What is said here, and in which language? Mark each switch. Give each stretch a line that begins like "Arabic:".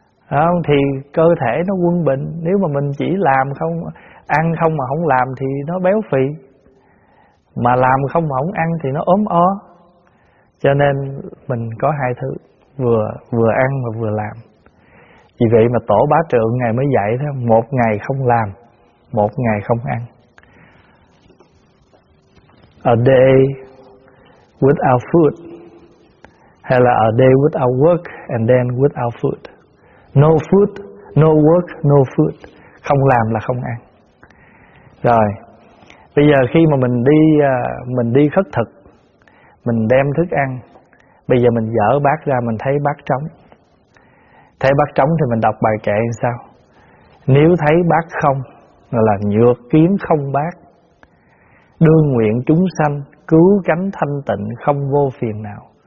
Vietnamese: Không, thì cơ thể nó quân bình. Nếu mà mình chỉ làm không, ăn không mà không làm thì nó béo phì, mà làm không mà không ăn thì nó ốm o. Cho nên mình có hai thứ, vừa ăn mà vừa làm. Vì vậy mà Tổ Bá Trượng ngày mới dạy thế: một ngày không làm, một ngày không ăn.
English: A day without food,
Vietnamese: hay là
English: a day without work and then without food. No food, no work, no food.
Vietnamese: Không làm là không ăn. Rồi, bây giờ khi mà mình đi khất thực, mình đem thức ăn, bây giờ mình dở bát ra, mình thấy bát trống. Thấy bát trống thì mình đọc bài kệ làm sao? Nếu thấy bát không, là nhược kiến không bát, đương nguyện chúng sanh cứu cánh thanh tịnh không vô phiền não.